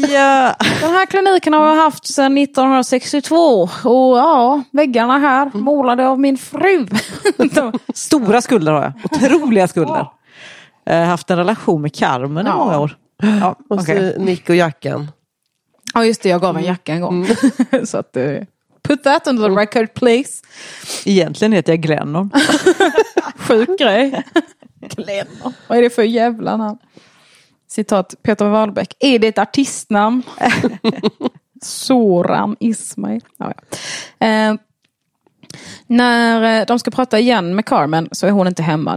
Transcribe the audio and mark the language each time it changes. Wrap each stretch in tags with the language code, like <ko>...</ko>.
<sv>Den här kliniken har jag haft sedan 1962. Och väggarna här målade av min fru. Stora skulder har jag. Otroliga skulder. Jag har haft en relation med Carmen i många år. Ja, och så Nick och jackan. Ja, just det. Jag gav en jacka en gång. Så att,</sv> <en>put that on the record, please.</en> <sv>Egentligen heter jag Glennon. Sjuk grej. Glennon. Vad är det för jävla namn? Citat, Peter Wahlbeck. Är det ett artistnamn? Soran Ismail. Ja, ja. När de ska prata igen med Carmen så är hon inte hemma.</sv>